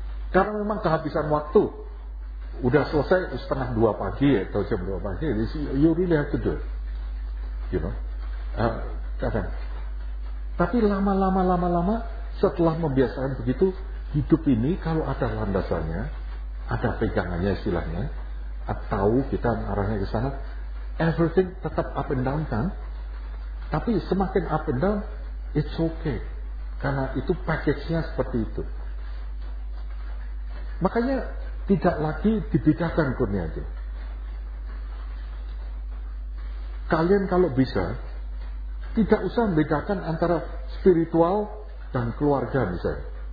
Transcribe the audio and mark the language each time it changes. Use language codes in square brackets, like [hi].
[id] Karena memang kehabisan waktu. Udah selesai setengah dua pagi atau jam dua pagi. [en] You really have to do it. You know. [id] Kadang. Tapi lama-lama setelah membiasakan begitu, hidup ini kalau ada landasannya, ada pegangannya istilahnya, atau kita arahnya ke sana, everything tetap up and down kan? Tapi semakin [en] up and down, it's okay. [id] Karena itu package-nya seperti itu. Makanya tidak lagi dibedakan kurnia aja. Kalian kalau bisa, tidak usah membedakan antara spiritual dan keluarga misalnya.